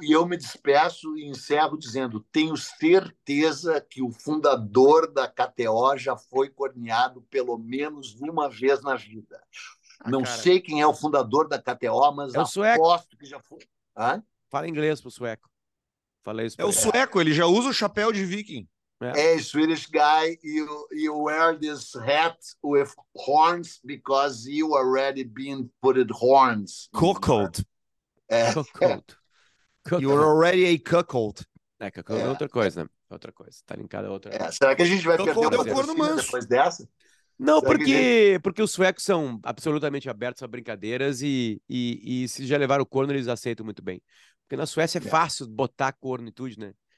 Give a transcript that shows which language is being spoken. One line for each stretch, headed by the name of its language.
Portuguese: eu me despeço e encerro dizendo: tenho certeza que o fundador da KTO já foi corneado pelo menos uma vez na vida. Não, cara, sei quem é o fundador da KTO, mas é o sueco. Aposto que já foi. Hã? Fala inglês pro sueco. Falei isso pra ele. É o sueco, ele já usa o chapéu de viking.
English: É a Swedish guy, you wear this hat with horns because you already been put in horns. Cuckold. Cuckold. You're already a cuckold.
Portuguese: É, cuckold é outra coisa, né? Outra coisa. Tá linkado a outra. É. Será que a gente vai perder o corno manso depois dessa? Não, porque os suecos são absolutamente abertos a brincadeiras e se já levaram o corno, eles aceitam muito bem. Porque na Suécia é fácil botar corno e tudo, né?